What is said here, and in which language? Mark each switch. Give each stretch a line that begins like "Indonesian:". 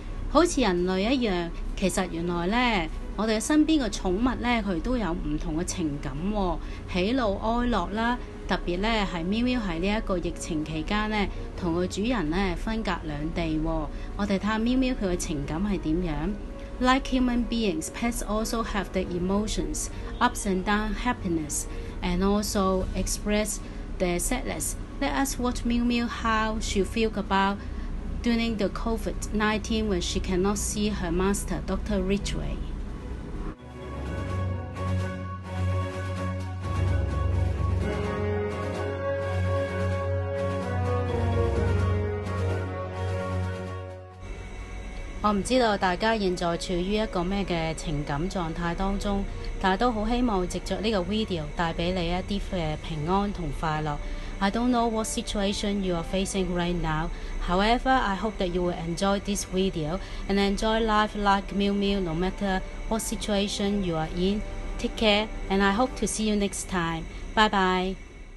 Chinese: 好像人類一樣，其實原來呢我們身邊的寵物呢它都有不同的情感、哦、喜怒哀樂啦，特別呢是喵喵在這個疫情期間呢跟它主人呢分隔兩地、哦、我們看喵喵它的情感是怎樣。
English: Like human beings, pets also have the emotions, ups and downs, happiness, and also express their sadness. Let us watch Meow Meow how she feels about during the COVID-19 when she cannot see her master, Dr. Richesway.
Chinese: 我不知道大家現在處於一個什麼情感狀態當中，但都很希望藉著這個 video 帶給你一些平安和快樂。
English: I don't know what situation you are facing right now. However, I hope that you will enjoy this video and enjoy life like Meow Meow no matter what situation you are in. Take care and I hope to see you next time. Bye bye.